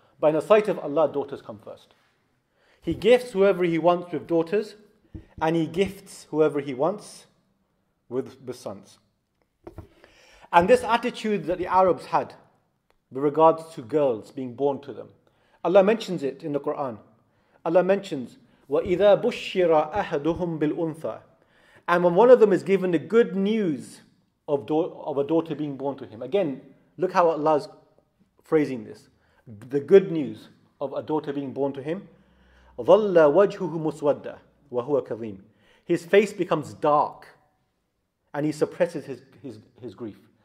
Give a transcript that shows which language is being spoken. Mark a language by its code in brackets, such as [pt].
[en] But in the sight of Allah, daughters come first. He gifts whoever he wants with daughters, and he gifts whoever he wants with the sons. And this attitude that the Arabs had with regards to girls being born to them, Allah mentions it in the Quran. Allah mentions, [ar] وَإِذَا بُشِّرَ أَحَدُهُمْ بِالْأُنْثَى. [en] And when one of them is given the good news of a daughter being born to him. Again, look how Allah's phrasing this. The good news of a daughter being born to him. [ar] ظَلَّ وَجْهُهُ مُسْوَدَّ وَهُوَ كَظِيمٌ. [en] His face becomes dark and he suppresses his grief.